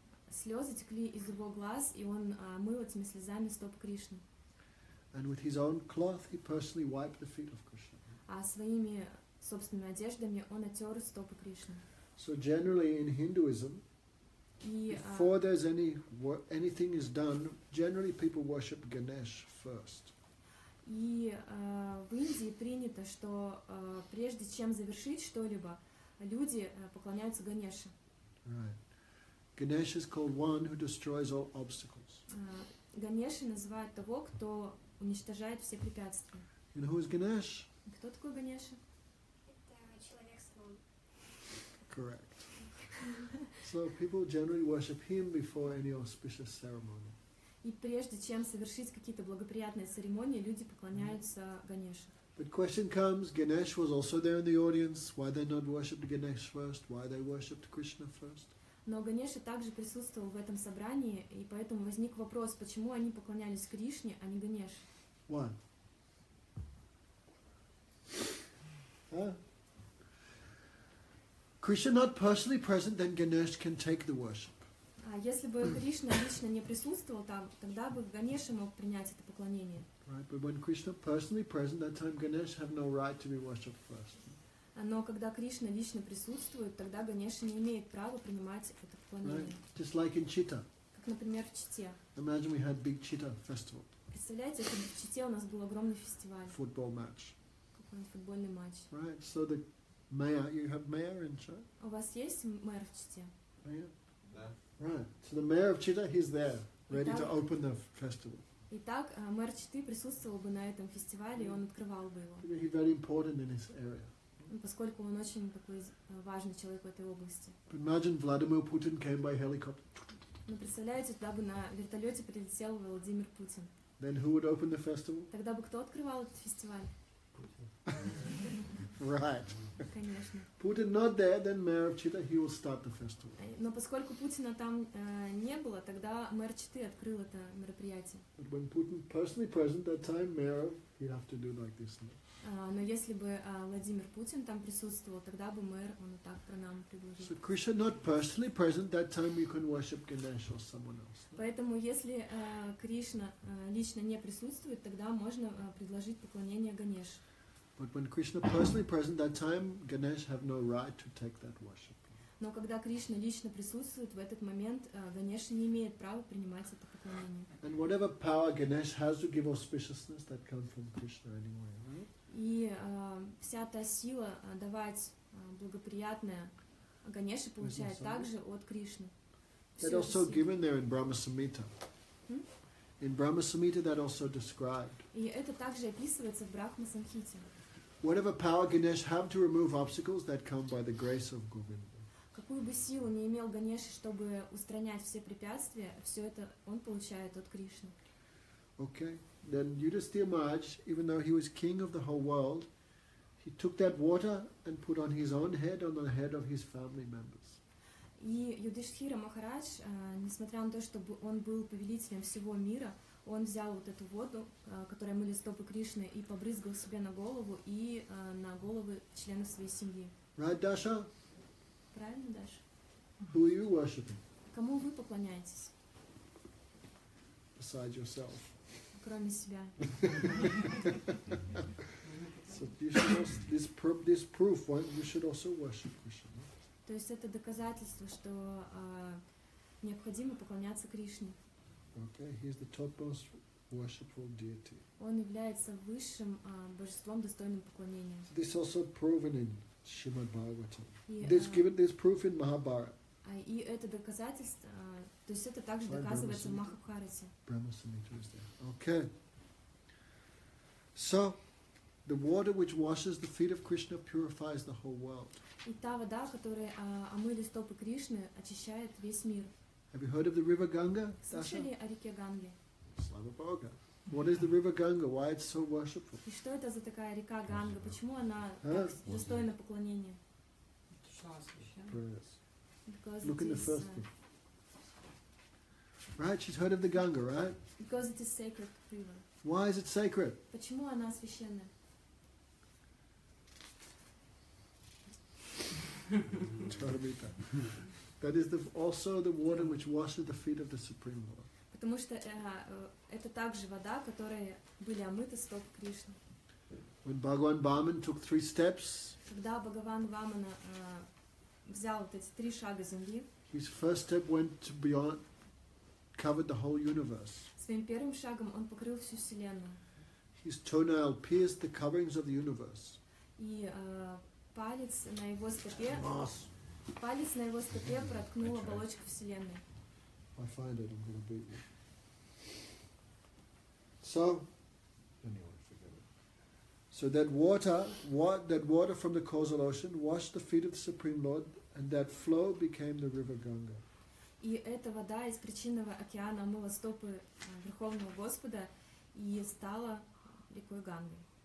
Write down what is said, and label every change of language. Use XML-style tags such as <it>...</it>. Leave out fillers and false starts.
<ru>Слезы текли из его глаз, и он мыл этими слезами стоп Кришны.</ru> <en>And with his own cloth, he personally wiped the feet of Krishna.</en> <ru>А своими собственными одеждами он оттер стопы Кришны.</ru> <en>So generally in Hinduism, before there's anything is done, generally people worship Ganesh first.</en> <ru>И в Индии принято, что прежде чем завершить что-либо, люди поклоняются Ганеше.</ru> <en>Right. Ganesh is called one who destroys all obstacles.</en> <ru>Ганеша называют того, кто уничтожает все препятствия.</ru> <en>And who is Ganesh?</en> <ru>Кто такой Ганеша? Это человек слон.</ru> <en>Correct. So people generally worship him before any auspicious ceremony.</en> <ru>И прежде чем совершить какие-то благоприятные церемонии, люди поклоняются Ганеше.</ru> <en>But question comes: Ganesh was also there in the audience. Why they not worshipped Ganesh first? Why they worshipped Krishna first?</en> <ru>Но Ганеша также присутствовал в этом собрании, и поэтому возник вопрос, почему они поклонялись Кришне, а не Ганеше.</ru> <en>One. Krishna not personally present, then Ganesh can take the worship.</en> <ru>А если бы Кришна лично не присутствовал там, тогда бы Ганеша мог принять это поклонение.</ru> <en>Right, but when Krishna personally present, that time Ganesh have no right to be worshipped first.</en> <ru>Но когда Кришна лично присутствует, тогда Ганеша не имеет права принимать это поклонение.</ru> <en>Right? Just like in Chita.</en> <ru>Как, например, в Чите.</ru> <en>Imagine we had big Chita festival.</en> <ru>Представляете, если бы в Чите у нас был огромный фестиваль.</ru> <en>Football match.</en> <ru>Какой-нибудь футбольный матч.</ru> <en>Right. So the mayor, you have mayor in Chita?</en> <ru>У вас есть мэр в Чите?</ru> <en>Mayor?</en> <ru>Да.</ru> <en>Right. So the mayor of Chita, he's there, ready to open the festival.</en> <ru>Итак, мэр Читы присутствовал бы на этом фестивале, и он открывал бы его.</ru> <en>He's very important in his area.</en> <ru>Поскольку он очень такой важный человек в этой области.</ru> <en>Imagine Vladimir Putin came by helicopter.</en> <ru>Ну, представляете, туда бы на вертолете прилетел Владимир Путин.</ru> <en>Then who would open the festival?</en> <ru>Тогда бы кто открывал этот фестиваль?</ru> <en>Putin. Right.</en> <ru>Конечно.</ru> <en>Putin not there, then mayor of Chita, he will start the festival.</en> <ru>Но поскольку Путина там не было, тогда мэр Читы открыл это мероприятие.</ru> <en>But when Putin personally present that time, mayor, he'd have to do like this now.</en> <ru>Но если бы Владимир Путин там присутствовал, тогда бы мэр он так про нам предложил.</ru> <en>So Krishna not personally present that time, you can worship Ganesh or someone else.</en> <ru>Поэтому если Кришна лично не присутствует, тогда можно предложить поклонение Ганеш.</ru> <en>But when Krishna personally present that time, Ganesh have no right to take that worship.</en> <ru>Но когда Кришна лично присутствует в этот момент, Ганеш не имеет права принимать это поклонение.</ru> <en>And whatever power Ganesh has to give auspiciousness, that comes from Krishna anyway.</en> <ru>И вся та сила давать благоприятное Ганеше получает также от Кришны.</ru> <en>That also given there in Brahma Samhita. In Brahma Samhita that also described.</en> <ru>И это также описывается в Брахма Самхите.</ru> <en>Whatever power Ganesh have to remove obstacles that come by the grace of Govinda.</en> <ru>Какую бы силу не имел Ганеш, чтобы устранять все препятствия, все это он получает от Кришны.</ru> <en>Okay. Then Yudhishthira Maharaj, even though he was king of the whole world, he took that water and put on his own head, on the head of his family members.</en> <ru>И Юдхиштхира Махарадж, несмотря на то, что он был повелителем всего мира, он взял вот эту воду, которая мыли стопы Кришны, и побрызгал себе на голову и на головы членов своей семьи.</ru> <en>Right, Dasha?</en> <ru>Правильно, Даша?</ru> <en>Who are you worshiping?</en> <ru>Кому вы поклоняетесь?</ru> <en>Besides yourself.</en> <ru>Кроме себя.</ru> <en>So this proof, why you should also worship Krishna.</en> <ru>То есть это доказательство, что необходимо поклоняться Кришне.</ru> <en>Okay, he is the topmost worshipful deity.</en> <ru>Он является высшим божеством, достойным поклонения.</ru> <en>This also proven in Shrimad Bhagavatam. This given this proof in Mahabharata.</en> <ru>И это доказательство, то есть это также доказывается в Махабхарате.</ru> <en>Brahma Samhita is there. Okay. So, the water which washes the feet of Krishna purifies the whole world.</en> <ru>И та вода, которая омыли стопы Кришны, очищает весь мир.</ru> <en>Have you heard of the river Ganga?</en> <ru>Слышали о реке Ганге? Слава Богу.</ru> <en>What is the river Ganga? Why it's so worshipful?</en> <ru>И что это за такая река Ганга? Почему она так достойна поклонения?</ru> <en>Prayers. Because look in the first thing. Right, she's heard of the Ganga, right? Because it is sacred river. Why is it sacred?</en> <ru>Почему она священна? Charamita.</ru> <en>That is also the water which washes the feet of the Supreme Lord.</en> <ru>Потому что это также вода, которой были омыты стопы Кришны.</ru> <en>When Bhagavan Vaman took three steps.</en> <ru>Когда Бхагаван Вамана взял вот эти три шага земли.</ru> <en>His first step went beyond, covered the whole universe.</en> <ru>Своим первым шагом он покрыл всю вселенную.</ru> <en>His toenail pierced the coverings of the universe.</en> <ru>И палец на его стопе. Палец на его стопе проткнул оболочку вселенной.</ru> <en>I find it, I'm gonna beat you. So. So that water from the causal ocean washed the feet of the Supreme Lord, and that flow became the river Ganga.</en> <ru>И эта вода из причинного океана омыла стопы Верховного Господа и стала рекой Ганги.</ru>